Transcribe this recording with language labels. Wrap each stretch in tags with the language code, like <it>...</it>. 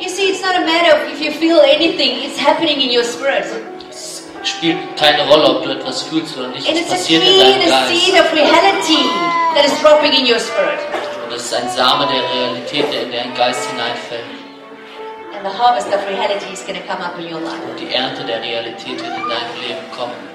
<en>You see, it's not a matter of if you feel anything, it's happening in your spirit.</en> <de>Es spielt keine Rolle, ob du etwas fühlst oder nicht.</de> <en>And</en> <de>es passiert in deinem Geist.</de> <en>It's a seed of reality that is dropping in your spirit.</en> <de>Und es ist ein Same der Realität, der in deinen Geist hineinfällt.</de> <en>The harvest of reality is going to come up in your life.</en> <de>Die Ernte der Realität wird in deinem Leben kommen.</de>